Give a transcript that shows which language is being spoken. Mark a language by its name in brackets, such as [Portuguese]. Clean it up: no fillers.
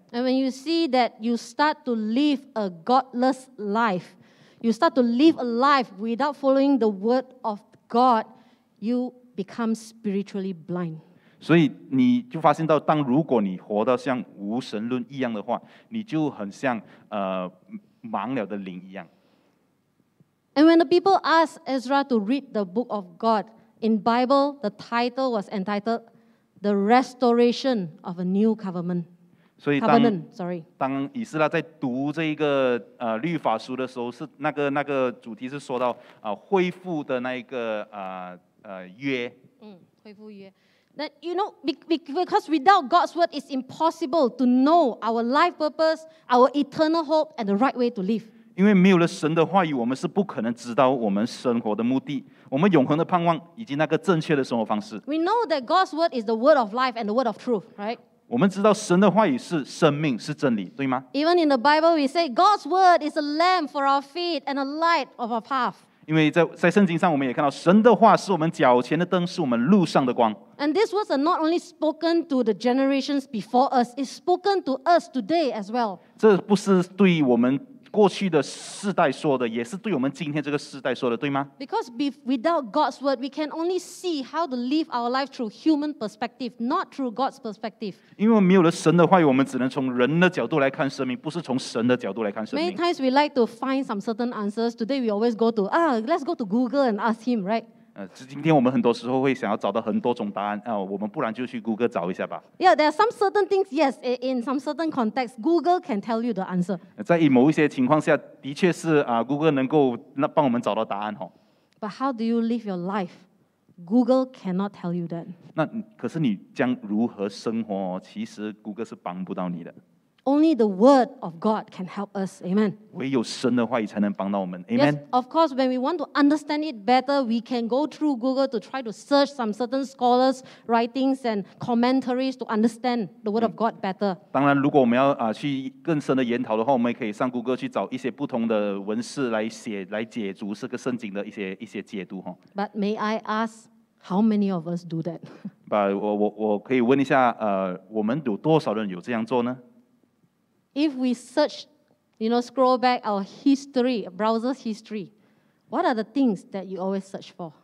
[English] And when you see that you start to live a godless life, you start to live a life without following the word of God, you become spiritually blind. [Chinese] 所以你就发现到，当如果你活得像无神论一样的话，你就很像盲了的灵一样。 [English] And when the people asked Ezra to read the book of God in Bible, the title was entitled The restoration of a new covenant. [Chinese] 所以当以斯拉在读这个律法书的时候，是那个主题是说到恢复的那一个约。恢复约。 [English] That you know, because without God's word, it's impossible to know our life purpose, our eternal hope, and the right way to live. [Chinese] 因为没有了神的话语，我们是不可能知道我们生活的目的。我们永恒的盼望以及那个正确的生活方式。 [English] We know that God's word is the word of life and the word of truth, right? [Chinese] 我们知道神的话语是生命，是真理，对吗？ [English] Even in the Bible, we say God's word is a lamp for our feet and a light of our path. [Chinese] 因为在圣经上，我们也看到神的话是我们脚前的灯，是我们路上的光。 [English] And these words are not only spoken to the generations before us; it's spoken to us today as well. [Chinese] 这不是对我们过去的世代说的，也是对我们今天这个世代说的，对吗？ [English] Because without God's word, we can only see how to live our life through human perspective, not through God's perspective. [Chinese] 因为没有了神的话语，我们只能从人的角度来看生命，不是从神的角度来看生命。 [English] Many times we like to find some certain answers. Today we always go to let's go to Google and ask him, right? [Chinese] 今天我们很多时候会想要找到很多种答案，我们不然就去 Google 找一下吧。 [English] Yeah, there are some certain things, yes, in some certain context, Google can tell you the answer. [Chinese] 在某一些情况下，的确是Google 能够帮我们找到答案。 [English] But how do you live your life? Google cannot tell you that. [Chinese] 那可是你将如何生活，其实 Google 是帮不到你的。 [English] Only the word of God can help us. Amen. [Chinese] 唯有神的话语才能帮到我们。 [English] Amen. Yes, of course, when we want to understand it better, we can go through Google to try to search some certain scholars' writings and commentaries to understand the word of God better. [Chinese] 当然，如果我们要去更深的研讨的话，我们也可以上 Google 去找一些不同的文士来写，来解读这个圣经的一些解读。 [English] But may I ask, how many of us do that? [Chinese] But 我可以问一下，我们有多少人有这样做呢？ [English] If we search, you know, scroll back our history, browser's history, what are the things that you always search for?